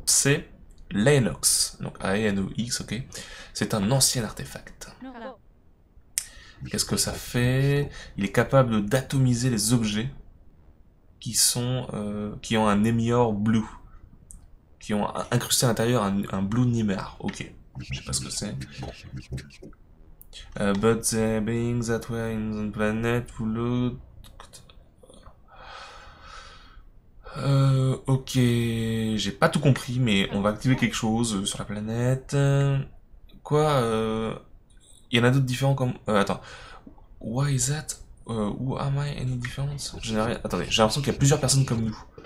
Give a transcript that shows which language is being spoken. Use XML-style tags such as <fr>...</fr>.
<fr>C'est l'Aenox. Donc A-N-O-X, ok. C'est un ancien artefact. Qu'est-ce que ça fait? Il est capable d'atomiser les objets qui sont qui ont un Nemior Blue. Qui ont incrusté à l'intérieur un Blue Nimer. Ok. Je sais pas ce que c'est.</fr> <en>But the beings that were in the planet will look...</en> <fr>ok, j'ai pas tout compris, mais on va activer quelque chose sur la planète. Quoi? Il y en a d'autres différents comme... attends. Why is that? Who am I any different? Attendez, j'ai l'impression qu'il y a plusieurs personnes comme nous.</fr>